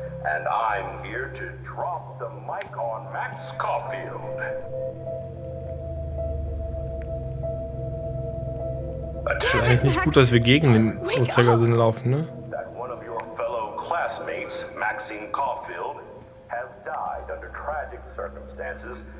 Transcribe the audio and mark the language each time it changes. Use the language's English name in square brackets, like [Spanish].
[English] And I'm here to drop the mic on Max Caulfield. [German] Es ist eigentlich nicht gut, dass wir gegen den Uhrzeigersinn laufen, ne? [English] That one of your fellow classmates, Maxine Caulfield, has died under tragic circumstances.